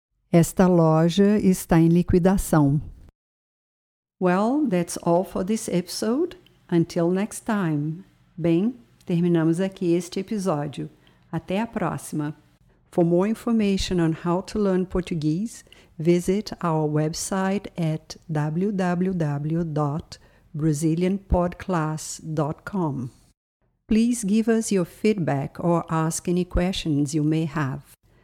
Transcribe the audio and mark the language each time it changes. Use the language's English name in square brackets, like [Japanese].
[Portuguese] Esta loja está em liquidação. [English] Well, that's all for this episode. Until next time. [Portuguese] Bem, terminamos aqui este episódio. Até a próxima. [English] For more information on how to learn Portuguese, visit our website at www.brazilianpodclass.com. Please give us your feedback or ask any questions you may have.